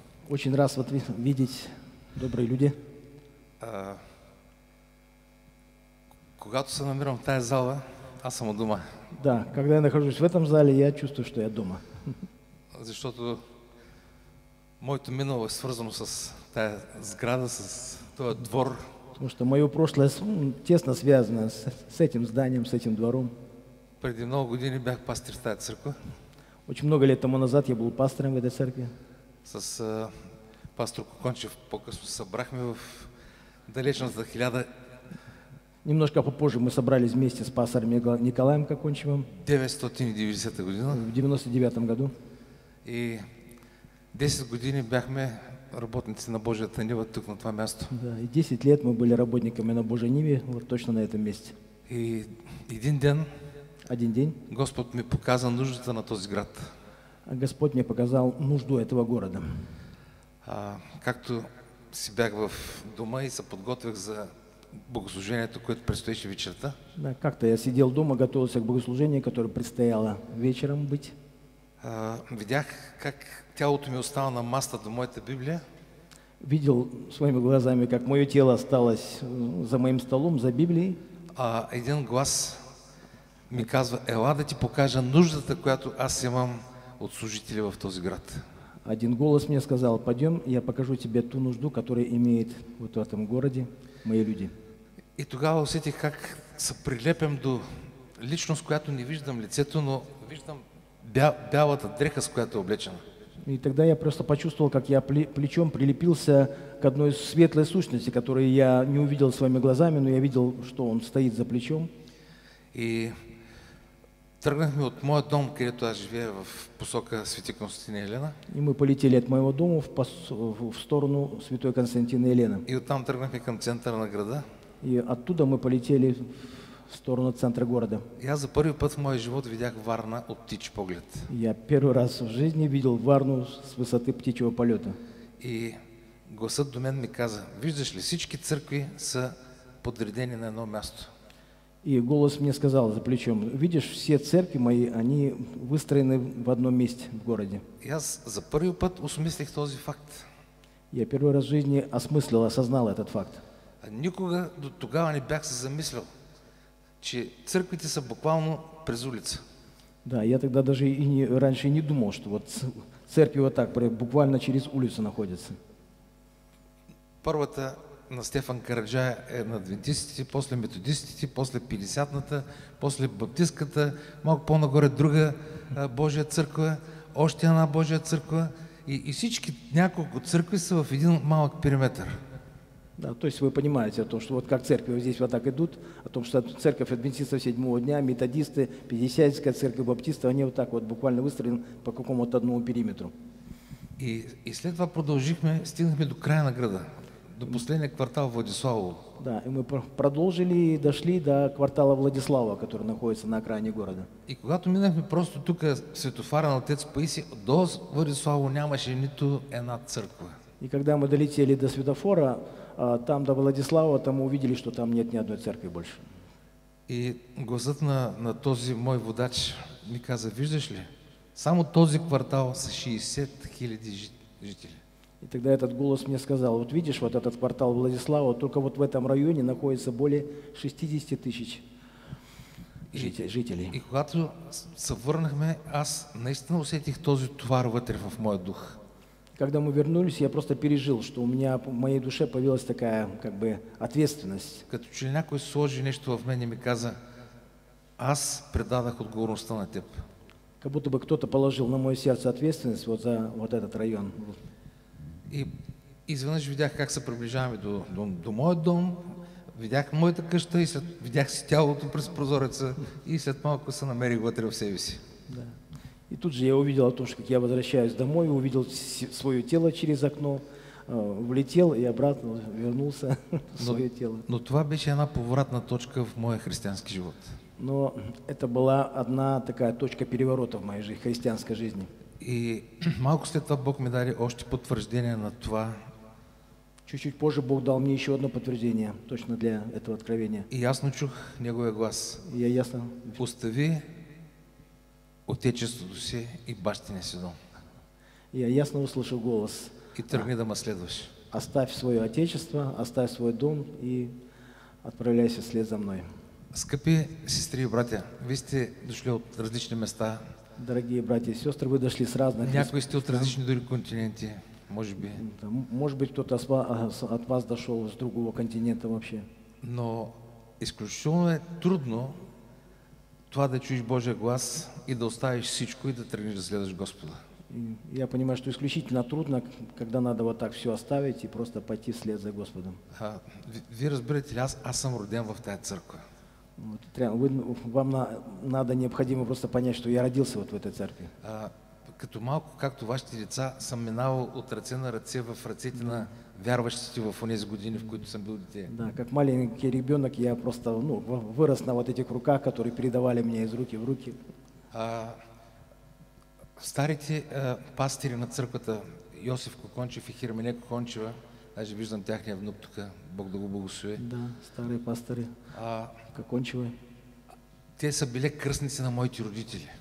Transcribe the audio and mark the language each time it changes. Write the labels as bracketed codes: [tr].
[ru] Очень рад вас видеть, добрые люди. [bg] Когато се намирам в тая зала, аз съм дома. [ru] Да, когда я нахожусь в этом зале, я чувствую, что я дома. [bg] Защото моето минало е свързано с тая сграда, с този двор. [ru] Потому что мое прошлое тесно связано с этим зданием, с этим двором. [bg] Преди много години бях пастир в тая църква. [ru] Очень много лет тому назад я был пастором в этой церкви. [bg] С пастор Кокончев по-късно събрахме в далечната хиляда. [ru] Немножко попозже мы собрались вместе с пастором Николаем Кокончевым. [bg] 990 година. [ru] В 99 году. [bg] И 10 години бяхме работници на Божията нива тук на това място. [ru] Да, и 10 лет мы были работниками на Божьей ниве, вот точно на этом месте. [bg] И един ден... [ru] Один день. Господь мне показал [bg] нуждата на този град. [ru] Господь мне показал нужду этого города. [bg] Как-то си бях в дома и се подготвих за богослужението, което предстоеше вечерта. [ru] Да, как-то я сидел дома, готовился к богослужению, которое предстояло вечером быть. [bg] Видях как тялото ми остало на маста до моята Библия. [ru] Видел своими глазами, как мое тело осталось за моим столом, за Библией. [bg] Един глас... ми казва, ела да ти покажа нуждата, която аз имам от служители в този град. [ru] Один голос мне сказал, пойдем, я покажу тебе ту нужду, которая имеет вот в этом городе мои люди. [bg] И тогава усетих как се прилепям до личност, която не виждам лицето, но виждам бялата дреха, с която е облечена. [ru] И тогда я просто почувствовал, как я плечом прилепился к одной светлой сущности, которую я не увидел своими глазами, но я видел, что он стоит за плечом. [bg] И... тръгнахме от моя дом, където аз живея в посока Свети Константина Елена. [ru] И мы полетели от моего дома в сторону Святой Константина Елена. [bg] И оттам тръгнахме към центъра на града. [ru] И оттуда мы полетели в сторону центра города. [bg] Я за първи път в моя живот видях Варна от птичи поглед. [ru] Я первый раз в жизни видел Варну с высоты птичьего полета. [bg] И гласът до мен ми каза, виждаш ли, всички църкви са подредени на едно място. [ru] И голос мне сказал за плечом, видишь, все церкви мои, они выстроены в одном месте в городе. Я за первый раз осмыслил этот факт. Я первый раз в жизни осмыслил, осознал этот факт. [bg] Никогда до тогава не бях се замислил, че църквите са буквально през улица. [ru] Да, я тогда даже и не, раньше не думал, что вот церкви вот так буквально через улицу находятся. [bg] Първата на Стефан Караджая е на адвентистите, после методистите, после 50-ната, после баптистката, малко по-нагоре друга Божия църква, още една Божия църква и всички няколко църкви са в един малък периметр. [ru] Да, то есть вы понимаете о том, что вот как церкви вот здесь вот так идут, о том, что церковь адвентистов седьмого дня, методисты, пятидесятская церковь баптистов, они вот так вот буквально выстроены по какому-то одному периметру. [bg] И след това продолжихме, стигнахме до края на града. [ru] До последнего квартала Владиславова. Да, и мы продолжили и дошли до квартала Владислава, который находится на окраине города. [bg] И когато минахме просто тук светофара на отец Паисий, до Владислава нямаше нито една църква. [ru] И когда мы долетели до светофора, там до Владислава, там мы увидели, что там нет ни одной церкви больше. [bg] И гласът на този мой водач ми каза, виждаш ли, само този квартал са 60 хиляди жители. [ru] И тогда этот голос мне сказал, вот видишь, вот этот квартал Владислава, только вот в этом районе находится более 60 тысяч жители. [bg] И когато се върнахме, аз наистина усетих този товар вътре в моя дух. [ru] Когда мы вернулись, я просто пережил, что у меня в моей душе появилась такая как бы ответственность. [bg] Като че ли някой сложи нещо в мене и ми каза: аз предадах отговорността на теб. [ru] Как будто бы кто-то положил на мое сердце ответственность вот за вот этот район. [bg] И изведнъж видях как се приближаваме до моя дом, видях моята къща и видях си тялото през прозореца и след малко се намерих вътре в себе си. [ru] Да. И тут же я увидел о том, что как я возвращаюсь домой, увидел свое тело через окно, влетел и обратно вернулся в свое тело. [bg] Но това беше една поворотна точка в моя християнски живот. [ru] Но это была одна такая точка переворота в моей жизни, христианской жизни. [bg] И малко след това Бог ми дари още потвърждение на това. [ru] Чуть-чуть позже Бог дал мне еще одно подтверждение, точно для этого откровения. [bg] И ясно чух неговия глас. [ru] И я ясно. [bg] Остави отечеството си и бащиня си дом. [ru] Я ясно услышал голос. [bg] И тръгни да ме следваш. [ru] Оставь свое отечество, оставь свой дом и отправляйся вслед за мной. [bg] Скъпи сестри и братя, ви сте дошли от различни места. [ru] Дорогие братья и сестры, вы дошли с разных. [bg] Някои сте от различни други континенти, може би. [ru] Да, [bg] може би [ru] кто-то от вас дошел с другого континента вообще. [bg] Но изключително е трудно това да чуеш Божия глас и да оставиш всичко и да тръгнеш да следваш Господа. [ru] Я понимаю, что исключительно трудно, когда надо вот так все оставить и просто пойти вслед за Господом. [bg] Ви разбирате ли, аз съм роден в тая църква. [ru] Вот, вам надо необходимо просто понять, что я родился вот в этой церкви. [bg] Като малко, както вашите деца, съм минавал от ръце на ръце в ръцете на вярващите в онези години, в които съм бил дете. [ru] Да, как маленький ребенок, я просто вырос на вот этих руках, которые передавали мне из руки в руки. [bg] Старите пастири на църквата, Йосиф Кокончев и Хирмене Кокончева, даже виждам тяхния внук тук, Бог да го благослови. [ru] Да, старые пастири, Кокончевы. [bg] Те са били кръстници на моите родители.